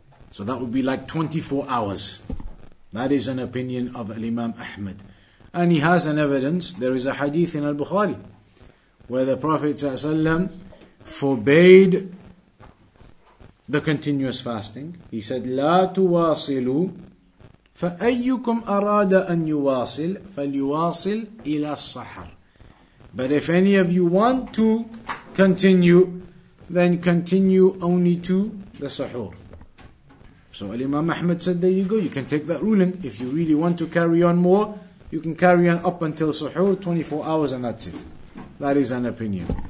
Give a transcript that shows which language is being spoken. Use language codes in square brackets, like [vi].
[en] So that would be like 24 hours. That is an opinion of Imam Ahmad. And he has an evidence, there is a hadith in Al-Bukhari, where the Prophet ﷺ forbade the continuous fasting. He said, [ar] لا تواصلوا فأيكم أراد أن يواصل فليواصل إلى الصحر. [en] But if any of you want to continue, then continue only to the sahur. So Imam Ahmad said, there you go, you can take that ruling. If you really want to carry on more, you can carry on up until sahur, 24 hours, and that's it. That is an opinion.